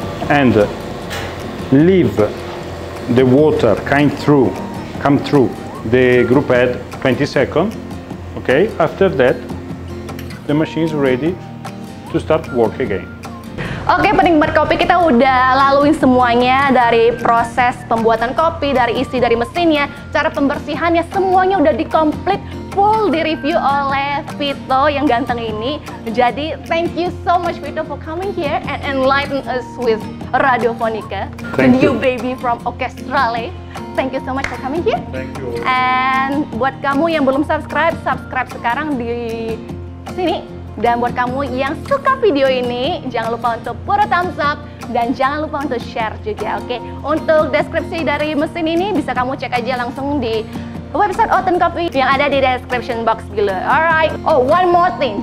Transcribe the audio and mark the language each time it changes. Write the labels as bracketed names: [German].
[English] And leave the water come through the group head 20 seconds. Okay, after that, the machine is ready to start work again. [Indonesian] Okay, penikmat kopi, kita udah laluin semuanya dari proses pembuatan kopi, dari isi dari mesinnya, cara pembersihannya, semuanya udah dikomplit full di review oleh Vito yang ganteng ini. Jadi [English] thank you so much Vito for coming here and enlighten us with Radiofonica. Thank you. New baby from Orchestrale. Thank you so much for coming here. Thank you. [Indonesian] And buat kamu yang belum subscribe, subscribe sekarang di sini. Dan buat kamu yang suka video ini, jangan lupa untuk [English] put a thumbs up [Indonesian] dan jangan lupa untuk share juga, oke? [English] Okay? [Indonesian] Untuk deskripsi dari mesin ini bisa kamu cek aja langsung di website Untuk Coffee yang ada di [English] description box below. Alright. Oh, one more thing.